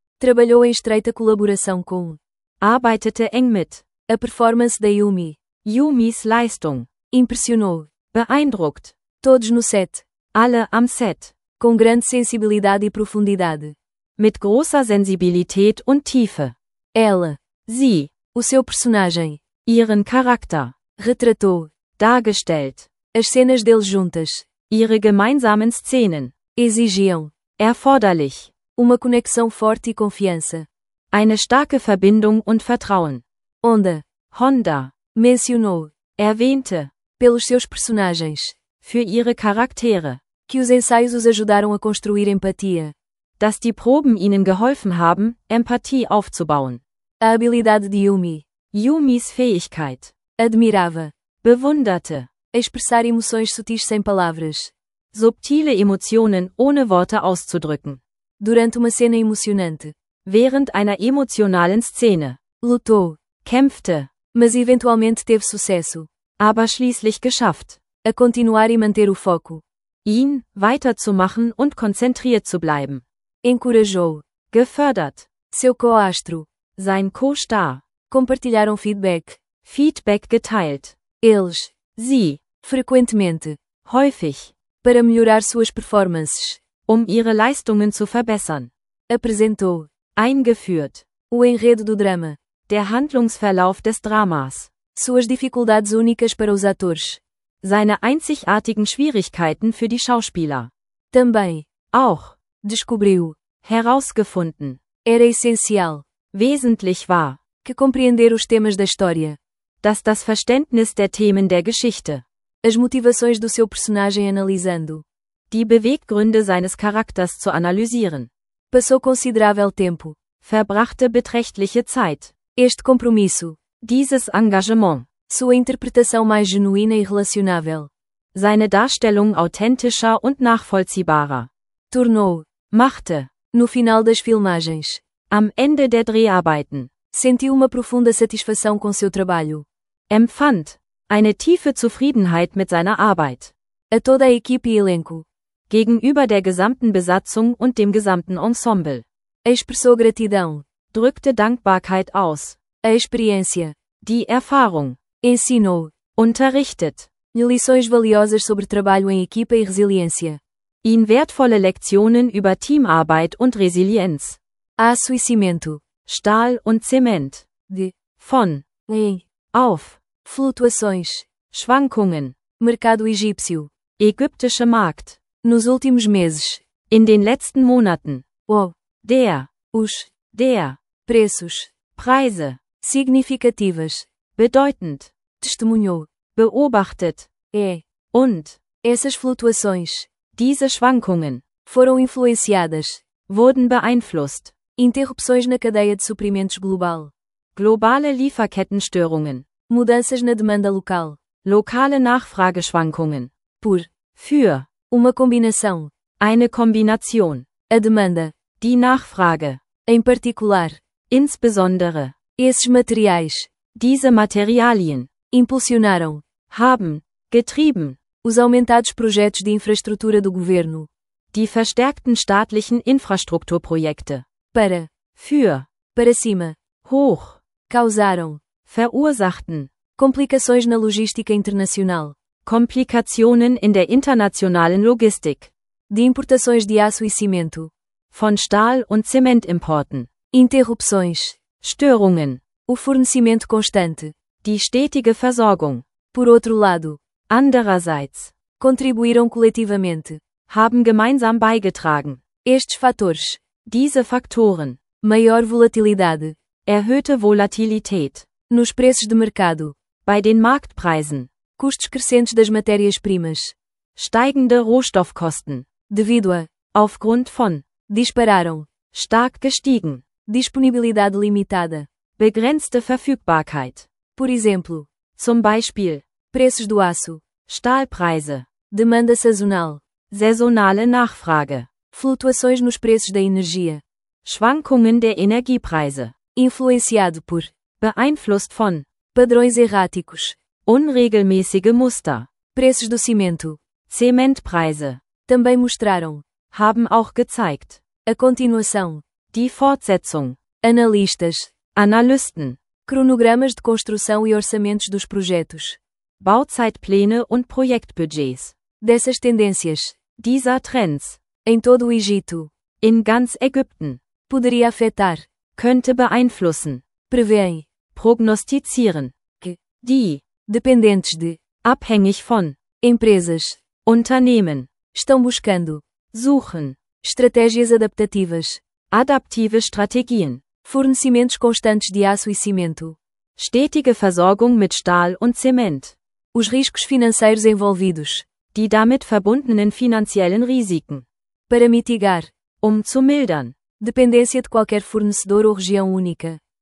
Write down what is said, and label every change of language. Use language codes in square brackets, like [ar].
[pt] Trabalhou em estreita colaboração com. [de] Arbeitete eng mit. [pt] A performance da Yumi. [de] Yumis Leistung. [pt] Impressionou. [de] Beeindruckt. [pt] Todos no set. [de] Alle am set. [pt] Com grande sensibilidade e profundidade. [de] Mit großer Sensibilität und Tiefe. [pt] Ela. [de] Sie. [pt] O seu personagem. [de] Ihren Charakter. [pt] Retratou. [de] Dargestellt. [pt] As cenas deles juntas. [de] Ihre gemeinsamen Szenen. [pt] Exigiam. [de] Erforderlich. [pt] Uma conexão forte e confiança. [de] Eine starke Verbindung und Vertrauen. [pt] Onda. Honda. Mencionou. [de] Erwähnte. [pt] Pelos seus personagens. [de] Für ihre Charaktere. [pt] Que os ensaios os ajudaram a construir empatia. [de] Dass die Proben ihnen geholfen haben, Empathie aufzubauen. [pt] A habilidade de Yumi. [de] Yumis Fähigkeit. [pt] Admirava. [de] Bewunderte. [pt] Expressar emoções sutis sem palavras. [de] Subtile Emotionen ohne Worte auszudrücken. [pt] Durante uma cena emocionante. [de] Während einer emotionalen Szene. [pt] Lutou. [de] Kämpfte. [pt] Mas eventualmente teve sucesso. [de] Aber schließlich geschafft. [pt] A continuar e manter o foco. [de] Ihn, weiterzumachen und konzentriert zu bleiben. [pt] Encorajou. [de] Gefördert. [pt] Seu co-astro. [de] Sein co-star. [pt] Compartilharam feedback. [de] Feedback geteilt. [pt] Eles. [de] Sie. [pt] Frequentemente. [de] Häufig. [pt] Para melhorar suas performances. [de] Ihre Leistungen zu verbessern. [pt] Apresentou. [de] Eingeführt. [pt] O enredo do drama. [de] Der Handlungsverlauf des Dramas. [pt] Suas dificuldades únicas para os atores. [de] Seine einzigartigen Schwierigkeiten für die Schauspieler. [pt] Também. [de] Auch. [pt] Descobriu. [de] Herausgefunden. [pt] Era essencial. [de] Wesentlich war. [pt] Que compreender os temas da história. [de] Dass das Verständnis der Themen der Geschichte. [pt] As motivações do seu personagem analisando. [de] Die Beweggründe seines Charakters zu analysieren. [pt] Passou considerável tempo. [de] Verbrachte beträchtliche Zeit. [pt] Este compromisso. [de] Dieses Engagement. [pt] Sua interpretação mais genuína e relacionável. [de] Seine Darstellung authentischer und nachvollziehbarer. [pt] Tornou. [de] Machte. [pt] No final das filmagens. [de] Am Ende der Dreharbeiten. [pt] sentiu uma profunda satisfação com seu trabalho. [de] Empfand eine tiefe Zufriedenheit mit seiner Arbeit. [pt] A toda a equipe e elenco. [de] Gegenüber der gesamten Besatzung und dem gesamten Ensemble. [pt] Expressou gratidão. [de] Drückte Dankbarkeit aus. [pt] A experiência. [de] Die Erfahrung. [pt] Ensinou. [de] Unterrichtet. [pt] Lições valiosas sobre trabalho em equipa e resiliência. [de] Ihn wertvolle Lektionen über Teamarbeit und Resilienz. [pt] Aço e cimento. [de] Stahl und Zement. [pt] De. [de] Von. [pt] E. [de] Auf. [pt] Flutuações. [de] Schwankungen. [pt] Mercado egípcio. [de] Ägyptischer Markt. [pt] Nos últimos meses. [de] In den letzten Monaten. [pt] O. [de] Der. [pt] Os. [de] Der. [pt] Preços. [de] Preise. [pt] Significativas. [de] Bedeutend. [pt] Testemunhou. [de] Beobachtet. [pt] É. [de] Und. [pt] Essas flutuações. [de] Diese Schwankungen. [pt] Foram influenciadas. [de] Wurden beeinflusst. [pt] Interrupções na cadeia de suprimentos global. [de] Globale Lieferkettenstörungen. [pt] Mudanças na demanda local. [de] Lokale Nachfrageschwankungen. [pt] Por. [de] Für. [pt] Uma combinação. [de] Eine Kombination. [pt] A demanda. [de] Die Nachfrage. [pt] Em particular. [de] Insbesondere. [pt] Esses materiais. [de] Diese Materialien. [pt] Impulsionaram. [de] Haben. Getrieben. [pt] Os aumentados projetos de infraestrutura do governo. [de] Die verstärkten staatlichen Infrastrukturprojekte. [pt] Para. [de] Für. [pt] Para cima. [de] Hoch. [pt] Causaram. [de] Verursachten. [pt] Complicações na logística internacional. [de] Komplikationen in der internationalen Logistik. [pt] De importações de aço e cimento. [de] Von Stahl- und Zementimporten. [pt] Interrupções. [de] Störungen. [pt] O fornecimento constante. [de] Die stetige Versorgung. [pt] Por outro lado. [de] Andererseits. [pt] Contribuíram coletivamente. [de] Haben gemeinsam beigetragen. [pt] Estes fatores. [de] Diese Faktoren. [pt] Maior volatilidade. [de] Erhöhte Volatilität. [pt] Nos preços de mercado. [de] Bei den Marktpreisen. [pt] Custos crescentes das matérias-primas. [de] Steigende Rohstoffkosten. [pt] Devido a. [de] Aufgrund von. [pt] Dispararam. [de] Stark gestiegen. [pt] Disponibilidade limitada. [de] Begrenzte Verfügbarkeit. [pt] Por exemplo. [de] Zum Beispiel. [pt] Preços do aço. [de] Stahlpreise. [pt] Demanda sazonal. [de] Saisonale Nachfrage. [pt] Flutuações nos preços da energia. [de] Schwankungen der Energiepreise. [pt] Influenciado por. [de] Beeinflusst von. [pt] Padrões erráticos. [de] Unregelmäßige Muster. [pt] Preços do cimento. [de] Zementpreise. [pt] Também mostraram. [de] Haben auch gezeigt. [pt] A continuação. [de] Die Fortsetzung. [pt] Analistas. [de] Analysten. [pt] Cronogramas de construção e orçamentos dos projetos. [de] Bauzeitpläne und Projektbudgets. [pt] Dessas tendências. [de] Dieser Trends. [pt] Em todo o Egito. [de] In ganz Ägypten. [pt] Poderia afetar. [de] Könnte beeinflussen. [pt] Prevêem. [de] Prognostizieren. [pt] Que. [de] Die. [pt] Dependentes de. [de] Abhängig von. [pt] Empresas. [de] Unternehmen. [pt] Estão buscando. [de] Suchen. [pt] Estratégias adaptativas. [de] Adaptive Strategien. [pt] Fornecimentos constantes de aço e cimento. [de] Stetige Versorgung mit Stahl und Zement. [pt] Os riscos financeiros envolvidos. [de] Die damit verbundenen finanziellen Risiken. [pt] Para mitigar. [de] Zu mildern. [pt] Dependência de qualquer fornecedor ou região única.